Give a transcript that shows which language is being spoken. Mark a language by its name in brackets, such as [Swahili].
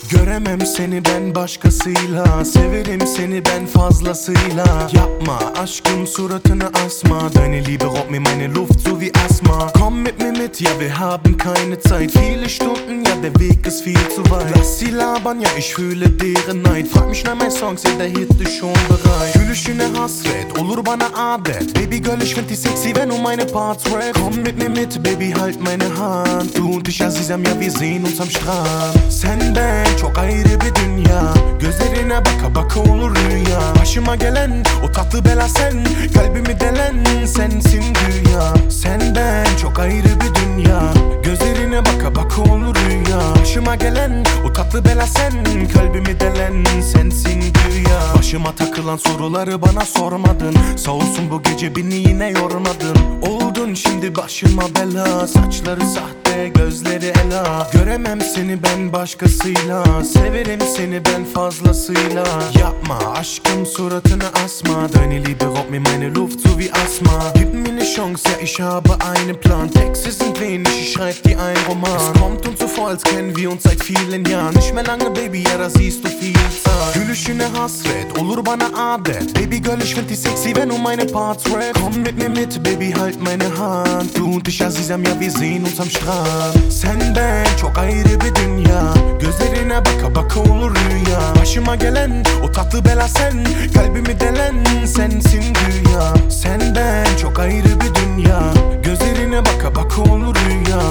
[Turkish] Sevemem seni ben başkasıyla. Severim seni ben fazlasıyla. Yapma aşkım suratını asma. [German] Deine Liebe raubt mir meine Luft so wie Asthma. Komm mit mir mit, ja wir haben keine Zeit. Viele Stunden, ja der Weg ist viel zu weit. Lass sie labern, ja ich fühle deren Neid. Frag mich nach meinen Songs, ja der Hit ist schon bereit. [Turkish] Gülüşüne hasret, olur bana adet. [English] Baby girl, [German] ich find die sexy, wenn du meine Parts rap. Komm mit mir mit, Baby, halt meine Hand. Du und ich, Azizam, ja wir sehen uns am Strand. [Turkish] Sen ben, çok ayrı bir dünya. Gözlerine baka baka olur rüya. Başıma gelen, o tatlı bela sen. Kalbimi delen, sensin dünya. Sen ben, çok ayrı bir dünya. Gözlerine baka baka olur rüya. Başıma gelen, o tatlı bela sen. Kalbimi delen, sensin dünya. Başıma takılan soruları bana sormadın. Sağ olsun bu gece beni yine yormadın. Oldun şimdi başıma bela. Saçları sahte, gözleri ela. Göremem seni ben başkasıyla. Severim seni ben fazlasıyla. Yapma aşkım suratını asma. [German] Deine Liebe raubt mir meine Luft so wie Asthma. Gib mir ne Chance, ja ich habe einen Plan. Texte sind wenig, ich schreib dir ein Roman. Es kommt uns so vor, als kennen wir uns seit vielen Jahren. Nicht mehr lange, Baby, ja da siehst du viel Zeit. [Turkish] Gülüşüne hasret, olur bana adet. [English] Baby girl, [German] ich find die sexy, wenn du meine Parts rap. Komm mit mir mit, Baby, halt meine Hand. Du und ich, Azizam, ja wir sehen uns am Strand. [Turkish] Sen ben, çok ayrı bir dünya. Gözlerine baka baka olur rüya. Başıma gelen, o tatlı bela sen. Kalbimi delen, sensin dünya. Sen ben, çok ayrı bir dünya. Gözlerine baka baka olur rüya.